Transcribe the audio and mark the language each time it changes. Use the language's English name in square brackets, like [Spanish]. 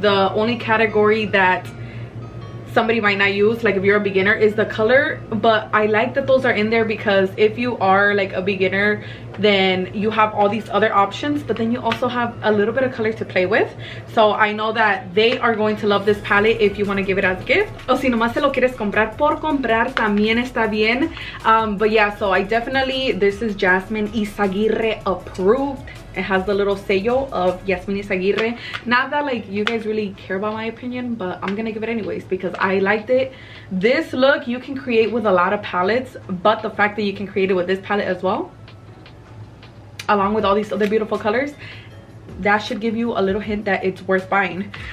[English] The only category that somebody might not use, like if you're a beginner, is the color. But I like that those are in there, because if you are like a beginner, then you have all these other options, but then you also have a little bit of color to play with. So I know that they are going to love this palette if you want to give it as a gift. [Spanish] O si nomás se lo quieres comprar por comprar, también está bien. [English] But yeah, so I definitely, this is Jasmine Izaguirre approved. It has the little sello of Yasmin Izaguirre. Not that like you guys really care about my opinion, but I'm gonna give it anyways because I liked it. This look you can create with a lot of palettes, but the fact that you can create it with this palette as well, along with all these other beautiful colors, that should give you a little hint that it's worth buying.